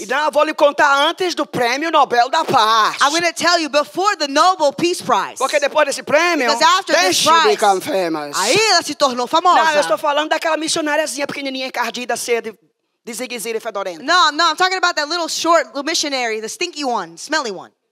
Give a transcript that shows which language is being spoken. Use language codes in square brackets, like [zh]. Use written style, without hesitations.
[pt] E não, eu vou lhe contar antes do Prêmio Nobel da Paz. [en] I'm going to tell you before the Nobel Peace Prize. [pt] Porque depois desse prêmio, [en] because after this prize, [pt] aí ela se tornou famosa. Não, eu estou falando daquela missionariazinha pequenininha encardida, cedo. De ziguezira e fedorenta. [en] No, I'm talking about that little short little missionary, the stinky one, smelly one.